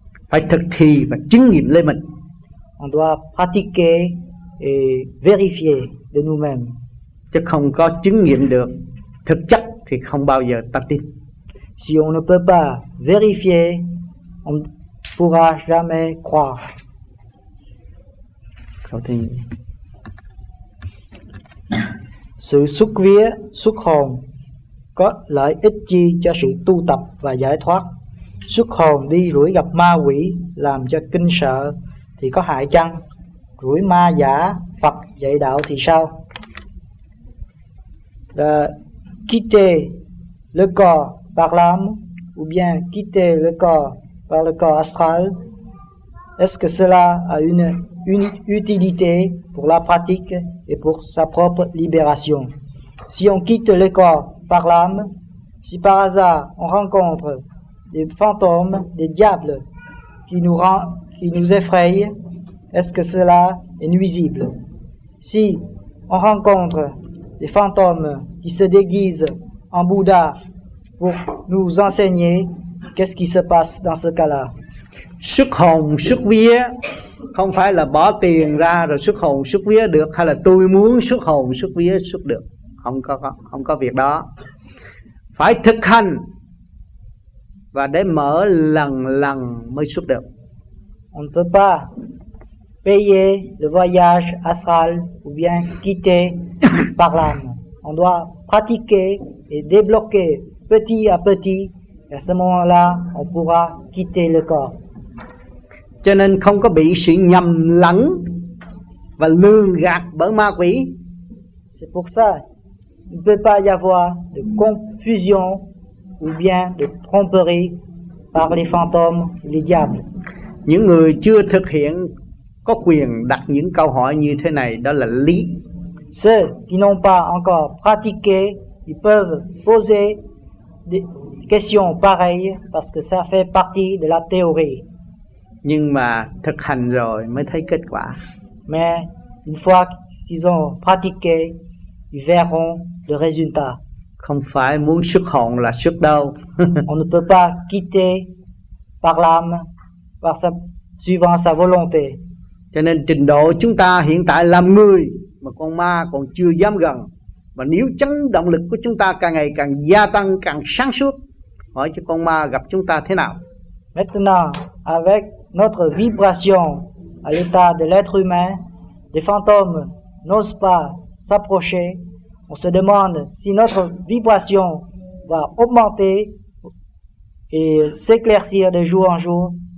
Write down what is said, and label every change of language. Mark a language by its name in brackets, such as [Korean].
[Vietnamese] Phải thực thi và chứng nghiệm lên mình. [French] On doit pratiquer et vérifier de nous-mêmes. [Vietnamese] Chứ không có chứng nghiệm được thực chất thì không bao giờ ta tin. [French] Si on ne peut pas vérifier, on ne pourra jamais croire. Continue. [Vietnamese] Sự xuất vía, xuất hồn có lợi ích chi cho sự tu tập và giải thoát? Xuất hồn đi rủi gặp ma quỷ làm cho kinh sợ thì có hại chăng? Rủi ma giả Phật dạy đạo thì sao? [French] Quitter le corps par l'âme ou bien quitter le corps par le corps astral, est-ce que cela a une utilité pour la pratique et pour sa propre libération? Si on quitte le corps par l'âme, si par hasard on rencontre des fantômes, des diables qui nous effrayent, est-ce que cela est nuisible? Si on rencontre des fantômes qui se déguisent en Bouddha pour nous enseigner, qu'est-ce qui se passe dans ce cas-là? [Vietnamese] Xuất hồn xuất vía không phải là bỏ tiền ra rồi xuất hồn xuất vía được, hay là tôi muốn xuất hồn xuất vía xuất được, không có việc đó. Phải thực hành và để mở lần lần mới xuất được. [French] On ne peut pas payer le voyage astral ou bien quitter par l'âme. On doit pratiquer et débloquer petit à petit, et à ce moment-là, on pourra quitter le corps. [Vietnamese] Cho nên không có bị sự nhầm lẫn và lừa gạt bởi ma quỷ. [French] C'est pour ça, il ne peut pas y avoir de confusion ou bien de tromperie par les fantômes, les diables. [Vietnamese] Những người chưa thực hiện có quyền đặt những câu hỏi như thế này, đó là lý. [French] Ceux qui n'ont pas encore pratiqué, ils peuvent poser des questions pareilles parce que ça fait partie de la théorie. [Vietnamese] Nhưng mà thực hành rồi mới thấy kết quả. [French] Mais une fois qu'ils ont pratiqué, ils verront le résultat. [Vietnamese] Không phải muốn xuất hồn là xuất đâu. [French] On ne peut pas quitter par l'âme par sa, suivant sa volonté. [Vietnamese] Cho nên trình độ chúng ta hiện tại làm người mà con ma còn chưa dám gần. Và nếu chấn động lực của chúng ta càng ngày càng gia tăng, càng sáng suốt, hỏi cho con ma gặp chúng ta thế nào? [French] Maintenant, avec notre vibration à l'état de l'être humain, les fantômes n'osent pas s'approcher. On se demande si notre vibration va augmenter et s'éclaircir de jour en jour.